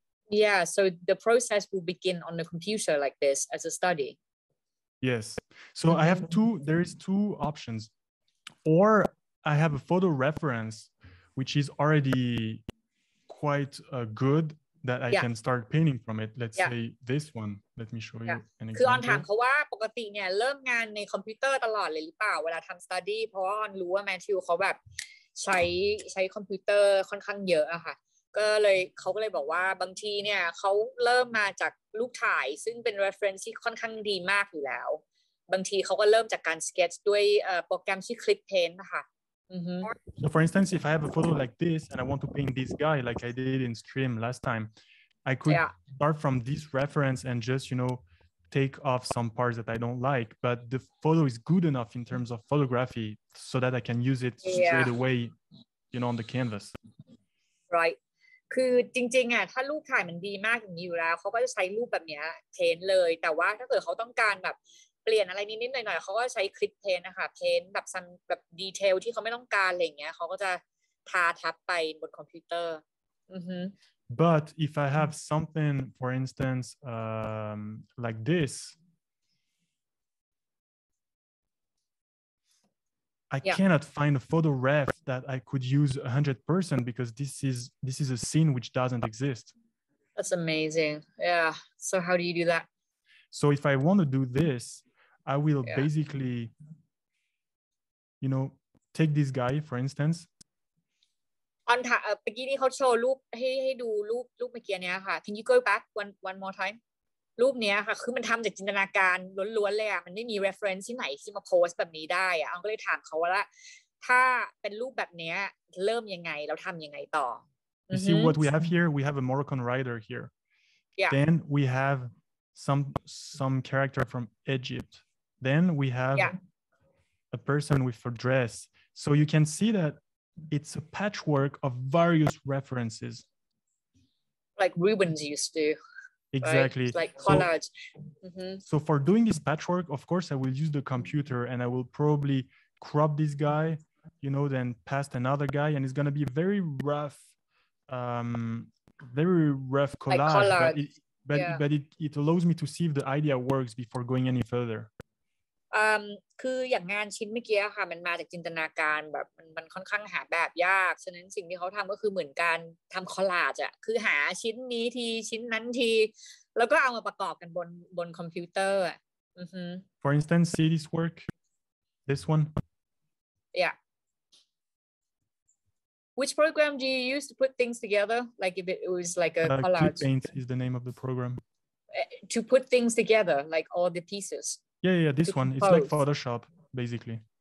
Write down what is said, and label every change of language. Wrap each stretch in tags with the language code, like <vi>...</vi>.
<en>Yeah, so the process will begin on the computer like this as a study. Yes. So I have two options. Or I have a photo reference, which is already quite good that I can start painting from it. Let's say this one. Let me show you an example.</en> <th>คือออนถามเขาว่าปกติเนี่ยเริ่มงานในคอมพิวเตอร์ตลอดเลยหรือเปล่าเวลาทำ study เพราะออนรู้ว่าแมทธิวเขาแบบใช้คอมพิวเตอร์ค่อนข้างเยอะอะค่ะก็เลยเขาก็เลยบอกว่าบางทีเนี่ยเขาเริ่มมาจากรูปถ่ายซึ่งเป็น reference ที่ค่อนข้างดีมากอยู่แล้วบางทีเขาก็เริ่มจากการ sketch ด้วยโปรแกรมชื่อ Clip Paint นะคะ</th> <en>So for instance if I have a photo like this and I want to paint this guy like I did in stream last time I could start from this reference and just you know take off some parts that I don't like but the photo is good enough in terms of photography so that I can use it straight away you know on the canvas right</en> <th>คือจริงๆอ่ะถ้ารูปถ่ายมันดีมากอย่างนี้อยู่แล้วเขาก็จะใช้รูปแบบเนี้ยเพ้นเลยแต่ว่าถ้าเกิดเขาต้องการแบบเปลี่ยนอะไรนิดๆหน่อยๆเขาก็ใช้คลิปเพ้นนะคะเพ้นแบบซันแบบดีเทลที่เขาไม่ต้องการอะไรเงี้ยเขาก็จะทาทับไปบนคอมพิวเตอร์</th> <en>But if I have something, for instance, like this, I cannot find a photo ref that I could use 100% because this is a scene which doesn't exist. That's amazing. Yeah. So how do you do that? So if I want to do this, I will basically, you know, take this guy, for instance,</en> <th>ตอนถ่ายเมื่อกี้นี่เขาโชว์รูปให้ดูรูปเมื่อกี้เนี้ยค่ะ</th> <en>Can you go back one more time</en> <th>รูปเนี้ยค่ะคือมันทำจากจินตนาการล้วนๆเลยอ่ะมันไม่มี reference ที่ไหนที่มาโพสแบบนี้ได้อ่ะเอาก็เลยถามเขาว่าละถ้าเป็นรูปแบบเนี้ยเริ่มยังไงเราทำยังไงต่อ</th> <en>You see what we have here we have a Moroccan rider here then we have some character from Egypt then we have a person with a dress so you can see thatIt's a patchwork of various references. Like Rubens used to. Exactly. Right? Like collage. So for doing this patchwork, of course, I will use the computer and I will probably crop this guy, you know, then past another guy. And it's going to be a very rough collage. Like collage. But it allows me to see if the idea works before going any further.</en> <th>คืออย่างงานชิ้นเมื่อกี้ค่ะมันมาจากจินตนาการแบบมันค่อนข้างหาแบบยากฉะนั้นสิ่งที่เขาทำก็คือเหมือนการทำคอลลาจอะคือหาชิ้นนี้ทีชิ้นนั้นทีแล้วก็เอามาประกอบกันบนคอมพิวเตอร์อ่ะ</th> <en>For instance see this work this one Yeah Which program do you use to put things together like if it was like a collage Clipaint is the name of the program to put things together like all the pieces Yeah, this one. It's like Photoshop, basically.</en>